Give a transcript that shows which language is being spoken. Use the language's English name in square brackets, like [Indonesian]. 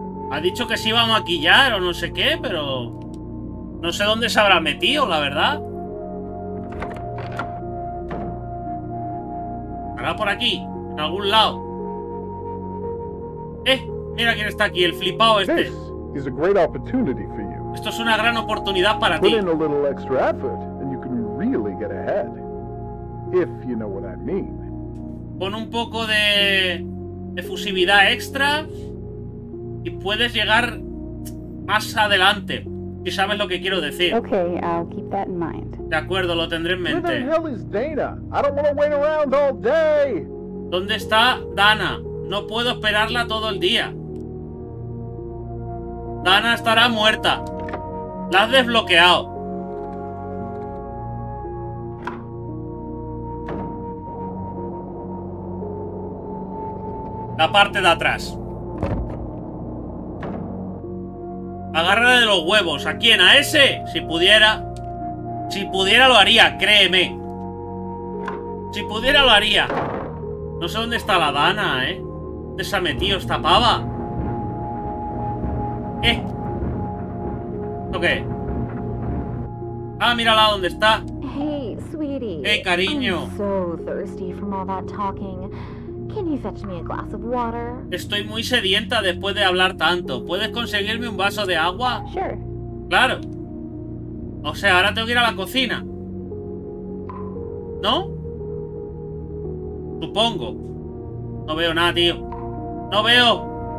[Spanish] Ha dicho que se iba a maquillar o no sé qué, pero... No sé dónde se habrá metido, la verdad. ¿Estará por aquí? ¿En algún lado? ¡Eh! Mira quién está aquí, el flipado este. [English] This is a great opportunity for you. [Spanish] Esto es una gran oportunidad para [English] Put [Spanish] ti. [English] Put in a little extra effort and you can really get ahead. If you know what I mean. [Spanish] Pon un poco de efusividad extra y puedes llegar más adelante, si sabes lo que quiero decir. [English] Okay, I'll keep that in mind. [Spanish] De acuerdo, lo tendré en mente. [English] Where the hell is Dana? I don't want to wait around all day. [Spanish] ¿Dónde está Dana? No puedo esperarla todo el día. Dana estará muerta. La has desbloqueado. La parte de atrás. Agárrala de los huevos. ¿A quién? ¿A ese? Si pudiera. Si pudiera lo haría, créeme. Si pudiera lo haría. No sé dónde está la Dana, ¿eh? ¿Dónde se ha metido esta pava? ¿Esto qué? Ah, mírala dónde está. [English] Hey, sweetie. [Spanish] Hey, cariño. [English] I'm so thirsty from all that talking. Can you fetch me a glass of water? [Spanish] Estoy muy sedienta después de hablar tanto. ¿Puedes conseguirme un vaso de agua? [English] Sure. [Spanish] Claro. O sea, ahora tengo que ir a la cocina. ¿No? Supongo. No veo nada, tío. No veo.